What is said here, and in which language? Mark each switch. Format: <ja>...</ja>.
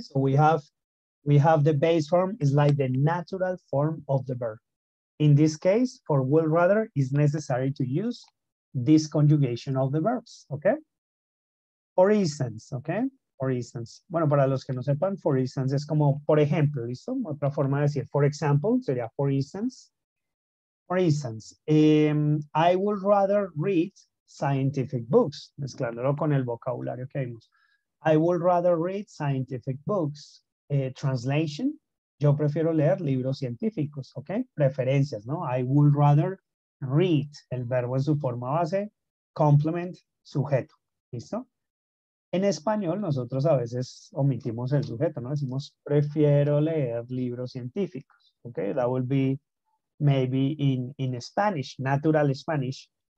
<en>So we have the base form is like the natural form of the verb. In this case, for would rather, is necessary to use this conjugation of the verbs, okay? For instance, okay? For instance.</en> <es>Bueno, para los que no sepan, for instance es como por ejemplo, ¿listo? Otra forma de decir for example sería for instance.</es> <en>For instance, I would rather read scientific books,</en> <es>mezclándolo con el vocabulario que vimos.</es> <en>I would rather read scientific books. Translation,</en> <es>yo prefiero leer libros científicos, ¿ok? Preferencias, ¿no?</es> <en>I would rather read,</en> <es>el verbo en su forma base, complement, sujeto, ¿listo? En español nosotros a veces omitimos el sujeto, ¿no? Decimos, prefiero leer libros científicos, ¿ok?</es> <en>That would be maybe in Spanish, natural Spanish.</en>